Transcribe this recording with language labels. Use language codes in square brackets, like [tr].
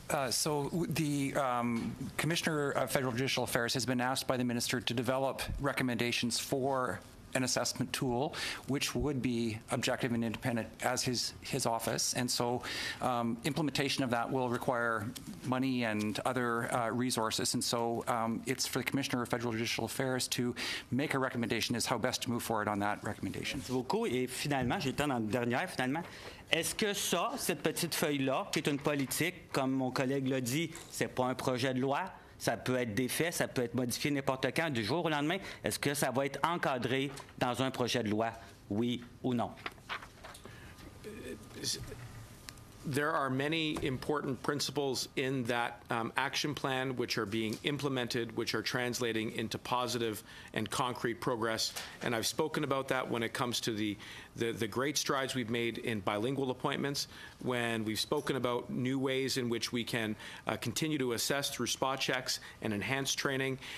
[en] So the Commissioner of Federal Judicial Affairs has been asked by the Minister to develop recommendations for an assessment tool, which would be objective and independent as his office. And so implementation of that will require money and other resources. And so it's for the Commissioner of Federal Judicial Affairs to make a recommendation as how best to move forward on that recommendation. [fr] Merci beaucoup. Et finalement, j'étais dans la dernière, finalement. Est-ce que ça, cette petite feuille-là, qui est une politique, comme mon collègue l'a dit, c'est pas un projet de loi, ça peut être défait, ça peut être modifié n'importe quand, du jour au lendemain, est-ce que ça va être encadré dans un projet de loi, oui ou non? [en] There are many important principles in that action plan which are being implemented, which are translating into positive and concrete progress. And I've spoken about that when it comes to the great strides we've made in bilingual appointments, when we've spoken about new ways in which we can continue to assess through spot checks and enhanced training.